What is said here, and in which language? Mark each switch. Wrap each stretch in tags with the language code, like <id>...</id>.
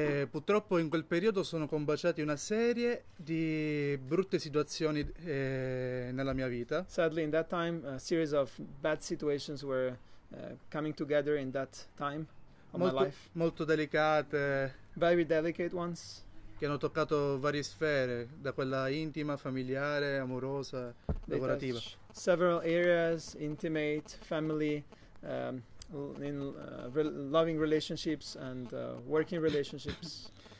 <it>Purtroppo in quel periodo sono combaciati una serie di brutte situazioni nella mia vita.</it> <en>Sadly, in that time, a series of bad situations were coming together in that time of</en> <it>molto,</it> <en>my life.</en> <it>Molto delicate.</it> <en>Very delicate ones.</en> <it>Che hanno toccato varie sfere, da quella intima, familiare, amorosa, lavorativa.</it> <en>Several areas, intimate, family, loving relationships and working relationships.</en>